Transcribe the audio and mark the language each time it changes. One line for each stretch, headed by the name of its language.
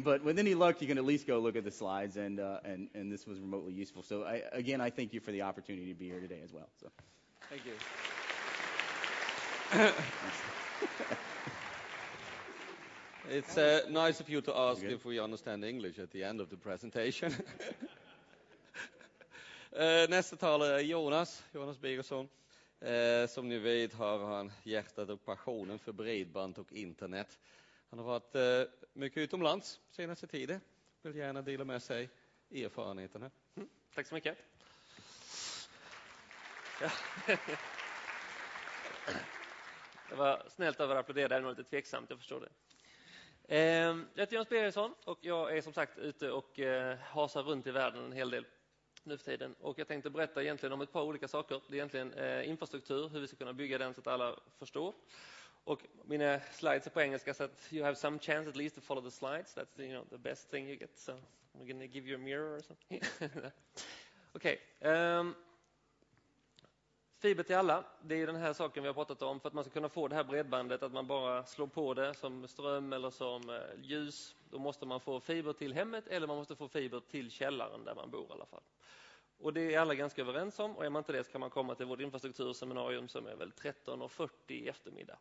English: But with any luck, you can at least go look at the slides, and this was remotely useful. So I thank you for the opportunity to be here today as well. So. Thank you. It's nice of you to ask if we understand English at the end of the presentation.
Swedish: Nästa talare är Jonas Birgersson. Som ni vet har han hjärtat och passionen för bredband och internet. Han har varit mycket utomlands senaste tiden. Vill gärna dela med sig erfarenheterna. Tack så mycket. Det var snällt att applådera, det var lite tveksamt, jag förstår det. Jag heter Jonas Birgersson och jag är som sagt ute och hasar runt i världen en hel del nu för tiden. Och jag tänkte berätta egentligen om ett par olika saker. Det är egentligen infrastruktur, hur vi ska kunna bygga den så att alla förstår. Och mina slides är på engelska, så att
English: you have some chance at least to follow the slides. That's the, you know, the best thing you get. So I'm gonna give you a mirror or something. Okay.
Swedish: Fiber till alla, det är ju den här saken vi har pratat om. För att man ska kunna få det här bredbandet, att man bara slår på det som ström eller som ljus, då måste man få fiber till hemmet eller man måste få fiber till källaren där man bor i alla fall. Och det är alla ganska överens om. Och är man inte det, så kan man komma till vårt infrastrukturseminarium som är väl 13.40 i eftermiddag.